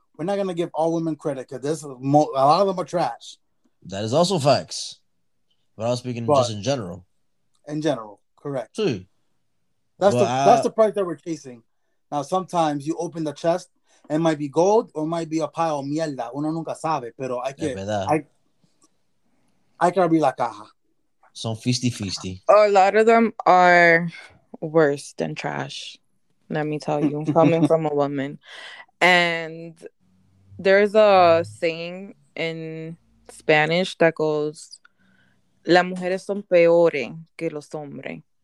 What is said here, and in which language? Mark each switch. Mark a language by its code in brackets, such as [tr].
[en] We're not going to give all women credit because a lot of them are trash. That is also facts. But I was speaking just in general. In general, correct. True. That's the price that we're chasing. Now, sometimes you open the chest and it might be gold or it might be a pile of [es] mierda. Uno nunca sabe, pero [en] I can [es] abrir la caja. [en] Some feisty. A lot of them are worse than trash, let me tell you, coming from a woman. And there's a saying in Spanish that goes, [es] las mujeres son peores que los hombres.